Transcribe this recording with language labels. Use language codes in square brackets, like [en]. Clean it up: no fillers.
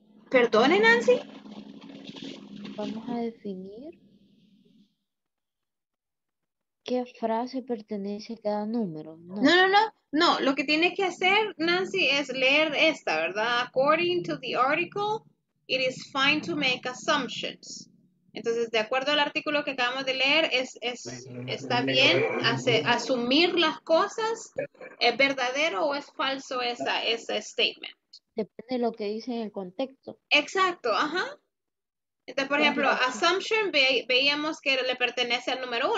[es] Perdone, Nancy. Vamos a definir qué frase pertenece a cada número. No. Lo que tiene que hacer, Nancy, es leer esta, ¿verdad? [en] According to the article, it is fine to make assumptions. [es] Entonces, de acuerdo al artículo que acabamos de leer, está bien asumir las cosas. ¿Es verdadero o es falso esa statement? Depende de lo que dice en el contexto. Exacto, ajá. Entonces, por ejemplo, assumption, veíamos que le pertenece al número uno.